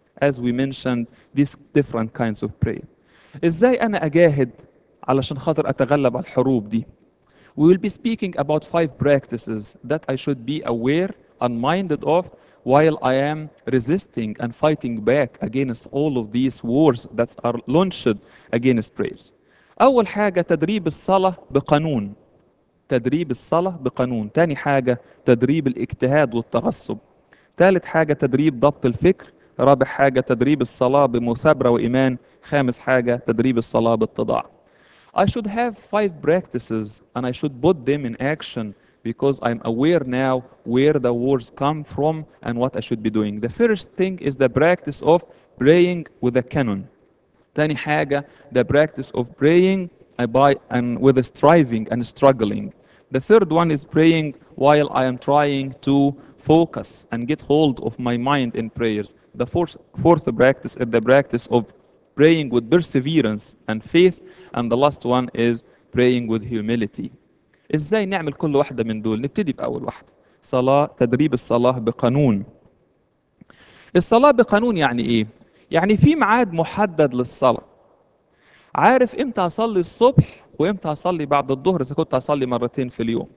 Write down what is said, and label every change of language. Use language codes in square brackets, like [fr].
[en] As we mentioned these different kinds of prayer. [ar] ازاي انا اجاهد علشان خاطر اتغلب على الحروب دي؟ [en] We will be speaking about five practices that I should be aware and minded of while I am resisting and fighting back against all of these wars that are launched against prayers. [ar] أول حاجة تدريب الصلاة بقانون. تدريب الصلاة بقانون. تاني حاجة تدريب الاجتهاد والتغصب. تالت حاجة تدريب ضبط الفكر. رابع حاجة تدريب الصلاة بمثابرة وإيمان. خامس حاجة تدريب الصلاة بالتضاع. [en] I should have five practices and I should put them in action because I'm aware now where the wars come from and what I should be doing. The first thing is the practice of praying with a canon. [ar] تاني حاجة [en] the practice of praying by and with a striving and struggling. The third one is praying while I am trying to focus and get hold of my mind in prayers. The fourth practice is the practice of praying with perseverance and faith, and the last one is praying with humility. [ar] ازاي نعمل كل واحدة من دول؟ نبتدي بأول واحدة. صلاة، تدريب الصلاة بقانون. الصلاة بقانون يعني إيه؟ يعني في ميعاد محدد للصلاة. عارف إمتى أصلي الصبح وإمتى أصلي بعد الظهر إذا كنت أصلي مرتين في اليوم.